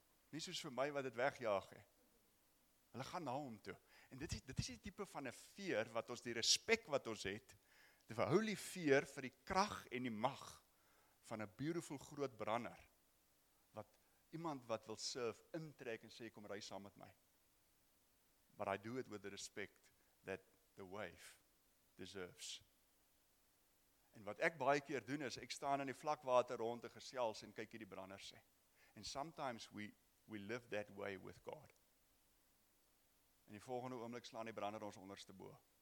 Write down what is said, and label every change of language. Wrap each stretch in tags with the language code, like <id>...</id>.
<af>Nie soos vir my wat dit wegjaag nie. Hulle gaan na hom toe. En dit is die type van 'n fear wat ons, die respek wat ons het, die holy fear vir die krag en die mag van 'n beautiful groot branner, wat iemand wat wil serve intrek en sê, kom ry saam met my.</af> <en>But I do it with the respect that the wave deserves.</en> <af>En wat ek baie keer doen is, ek staan in die vlakwater rond en gesels en kyk hier die branner sê. En</af> <en>sometimes we live that way with God.</en> <af>En die volgende oomblik slaan die brander ons onderste bo.</af>